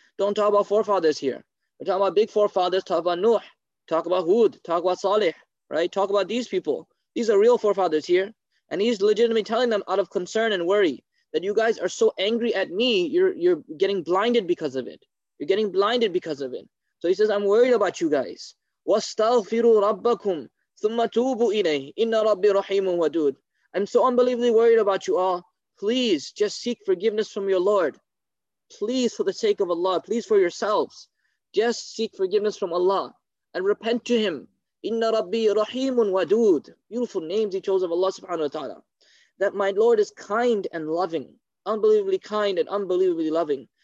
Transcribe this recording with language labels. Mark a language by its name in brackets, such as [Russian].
[English] Don't talk about forefathers here. We're talking about big forefathers. Talk about Nuh. Talk about Hud. Talk about Salih, right? Talk about these people. These are real forefathers here. And he's legitimately telling them out of concern and worry that you guys are so angry at me, you're getting blinded because of it. You're getting blinded because of it. So he says, I'm worried about you guys. [Arabic] وَاسْتَغْفِرُوا رَبَّكُمْ ثُمَّ تُوبُوا إِلَيْهِ إِنَّ رَبِّي رَحِيمٌ وَدُودٌ. [English] I'm so unbelievably worried about you all. Please just seek forgiveness from your Lord. Please, for the sake of Allah, please for yourselves, just seek forgiveness from Allah and repent to Him. [Arabic] إِنَّ رَبِّي رَحِيمٌ وَدُودٌ. [English] Beautiful names He chose of Allah subhanahu wa ta'ala. That my Lord is kind and loving, unbelievably kind and unbelievably loving.